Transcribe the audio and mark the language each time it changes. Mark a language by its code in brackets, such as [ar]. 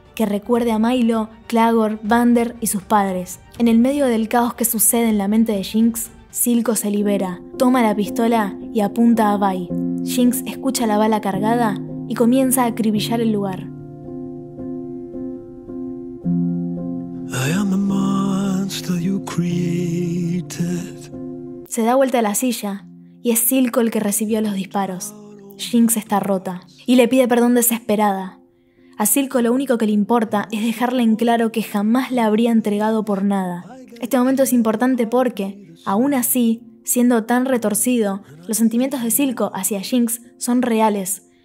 [es] que recuerde a Milo, Clagor, Vander y sus padres. En el medio del caos que sucede en la mente de Jinx, Silco se libera, toma la pistola y apunta a Vi. Jinx escucha la bala cargada y comienza a acribillar el lugar. [en] I am the monster you created. [es] Se da vuelta a la silla y es Silco el que recibió los disparos. Jinx está rota y le pide perdón desesperada. A Silco lo único que le importa es dejarle en claro que jamás la habría entregado por nada. Este momento es importante porque, aún así, siendo tan retorcido, los sentimientos de Silco hacia Jinx son reales.